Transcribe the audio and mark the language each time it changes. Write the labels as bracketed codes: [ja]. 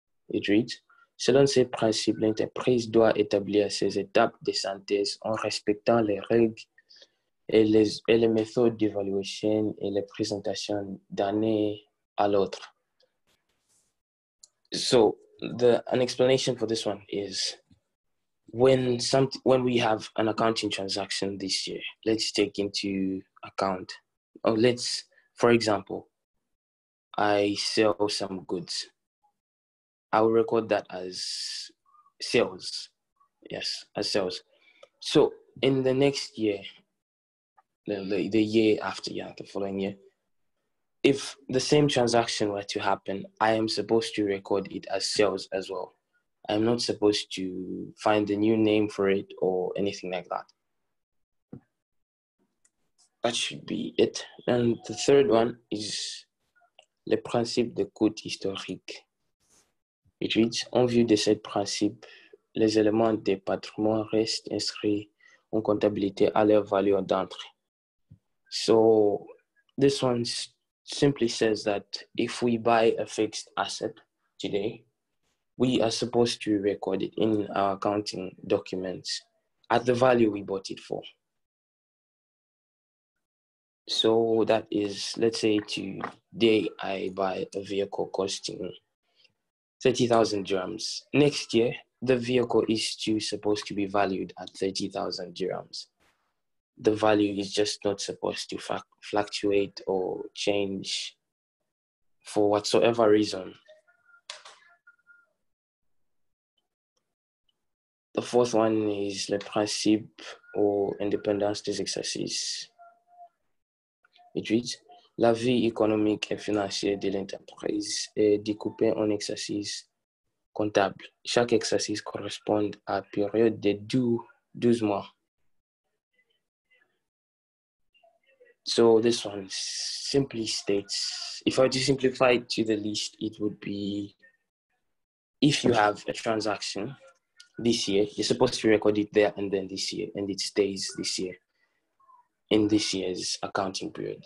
[en] It reads, [fr] selon ces principes, l'entreprise doit établir ses étapes de synthèse en respectant les règles et les méthodes d'évaluation et les présentations d'année à l'autre. [en] So an explanation for this one is when we have an accounting transaction this year, let's take into account, or let's, for example, I sell some goods. I will record that as sales. Yes, as sales. So in the next year, the year after, yeah, the following year, if the same transaction were to happen, I am supposed to record it as sales as well. I'm not supposed to find a new name for it or anything like that. That should be it. And the third one is le principe de coût historique. It reads, [fr] en vue de ce principe, les éléments de patrimoine restent inscrits en comptabilité à leur valeur d'entrée. [en] So this one simply says that if we buy a fixed asset today, we are supposed to record it in our accounting documents at the value we bought it for. So that is, let's say today I buy a vehicle costing 30,000 dirhams. Next year, the vehicle is supposed to be valued at 30,000 dirhams. The value is just not supposed to fluctuate or change for whatsoever reason. The fourth one is le principe ou indépendance des exercices. It reads, [fr] la vie économique et financière de l'entreprise est découpée en exercices comptables. Chaque exercice correspond à une période de 12 mois. [en] So this one simply states, if I were to simplify it to the least, it would be, if you have a transaction this year, you're supposed to record it there and then this year, and it stays this year, in this year's accounting period.